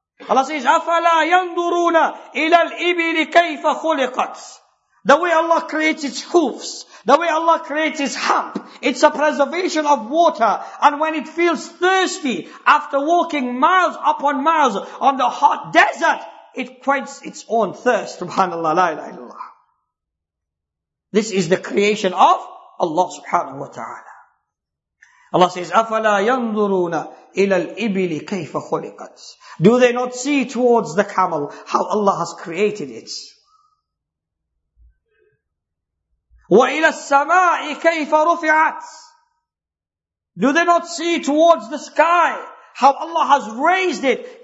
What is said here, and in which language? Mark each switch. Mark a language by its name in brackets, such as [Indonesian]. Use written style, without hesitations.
[English] Allah says, [Arabic] أَفَلَا يَنْدُرُونَ إِلَى الْإِبِلِ كَيْفَ خُلِقَتْ. [English] The way Allah creates its hoofs, the way Allah creates its hump, it's a preservation of water. And when it feels thirsty, after walking miles upon miles on the hot desert, it quenches its own thirst. SubhanAllah, la ilaha illallah. This is the creation of Allah subhanahu wa ta'ala. Allah says, [Arabic] أَفَلَا يَنْظُرُونَ إِلَى الْإِبِلِ كَيْفَ خُلِقَتْ. [English] Do they not see towards the camel how Allah has created it? [Arabic] وَإِلَى السَّمَاءِ كَيْفَ رُفِعَتْ. [English] Do they not see towards the sky how Allah has raised it?